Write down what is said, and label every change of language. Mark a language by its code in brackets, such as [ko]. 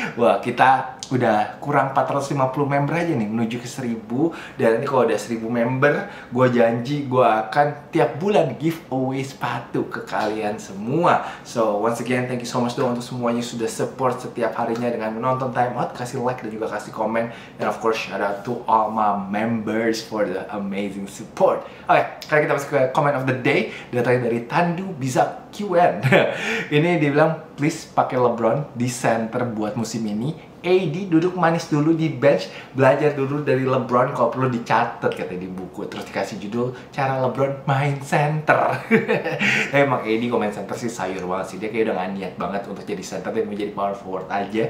[id] Wah, kita udah kurang 450 member aja nih menuju ke 1000. Dan nanti kalau udah 1000 member, gue janji gue akan tiap bulan giveaway sepatu ke kalian semua. [en] So once again, thank you so much [id] dong untuk semuanya sudah support setiap harinya dengan menonton Time Out, kasih like dan juga kasih komen. [en] And of course, shout out to all my members for the amazing support. [id] Oke, sekarang kita masuk ke [en] comment of the day. [id] Datangnya dari Tandu Bisa QN. Ini dia bilang, please pakai LeBron di center buat musim ini. AD duduk manis dulu di bench, belajar dulu dari LeBron kalau perlu dicatat katanya di buku. Terus dikasih judul, cara LeBron main center. Emang AD kalau main center sih sayur banget sih. Dia kayak udah gak niat banget untuk jadi center, dia mau jadi power forward aja.